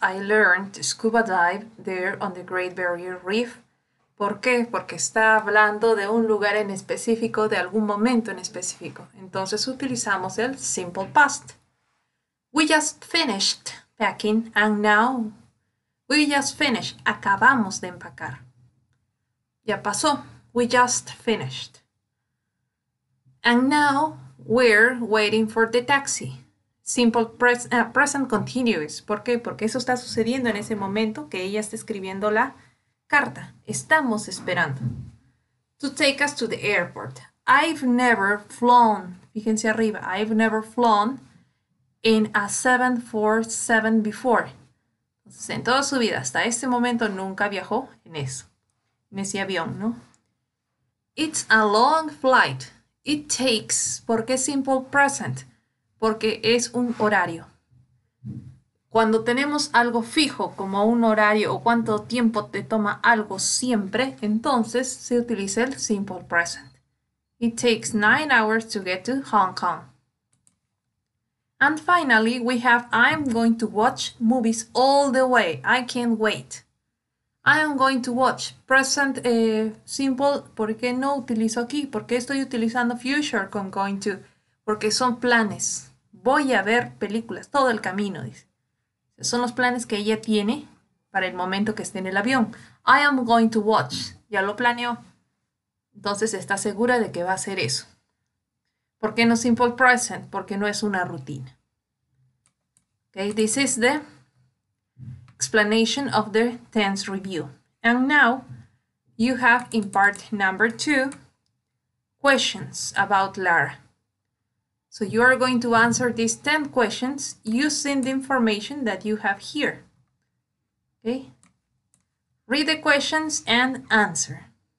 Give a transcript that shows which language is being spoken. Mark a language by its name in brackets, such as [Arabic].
[English] I learned to scuba dive there on the Great Barrier Reef. [Spanish] ¿Por qué? Porque está hablando de un lugar en específico, de algún momento en específico. Entonces utilizamos el simple past. [English] We just finished packing and now we just finished. [Spanish] Acabamos de empacar. Ya pasó. [English] We just finished. And now we're waiting for the taxi. Simple present continuous. [Spanish] ¿Por qué? Porque eso está sucediendo en ese momento que ella está escribiendo la carta. Estamos esperando. [English] To take us to the airport. I've never flown. [Spanish] Fíjense arriba. [English] I've never flown in a 747 before. [Spanish] Entonces, en toda su vida, hasta este momento, nunca viajó en eso. En ese avión, ¿no? [English] It's a long flight. It takes. [Spanish] ¿Por qué simple present? Porque es un horario. Cuando tenemos algo fijo como un horario o cuánto tiempo te toma algo siempre, entonces se utiliza el simple present. [English] It takes 9 hours to get to Hong Kong. And finally, we have I'm going to watch movies all the way. I can't wait. I am going to watch. Present simple, [Spanish] ¿por qué no utilizo aquí? ¿Por qué estoy utilizando future con going to? Porque son planes. Voy a ver películas todo el camino, dice. Son los planes que ella tiene para el momento que esté en el avión. [English] I am going to watch. [Spanish] Ya lo planeó. Entonces está segura de que va a hacer eso. ¿Por qué no simple present? Porque no es una rutina. [English] Okay, this is the explanation of the tense review. And now you have in part number two questions about Lara. So you are going to answer these 10 questions using the information that you have here. Okay? Read the questions and answer.